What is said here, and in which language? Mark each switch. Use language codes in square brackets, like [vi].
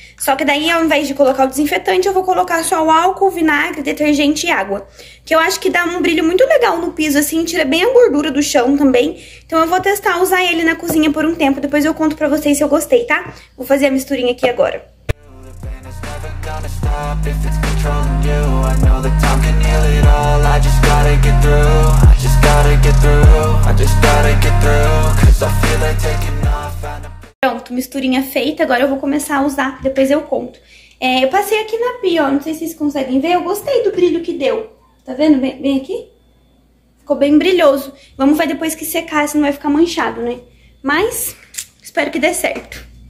[pt] Só que daí, ao invés de colocar o desinfetante, eu vou colocar só o álcool, vinagre, detergente e água. Que eu acho que dá um brilho muito legal no piso, assim, tira bem a gordura do chão também. Então eu vou testar usar ele na cozinha por um tempo, depois eu conto pra vocês se eu gostei, tá? Vou fazer a misturinha aqui agora. [en] If it's controlling you, I know that time can heal it all. I just gotta get through, I just gotta get through, I just gotta get through, cause I feel like taking off. [pt] Pronto, misturinha feita, agora eu vou começar a usar, depois eu conto. É, eu passei aqui na pia, ó, não sei se vocês conseguem ver, eu gostei do brilho que deu. Tá vendo? Vem aqui. Ficou bem brilhoso. Vamos ver depois que secar, senão vai ficar manchado, né? Mas, espero que dê certo.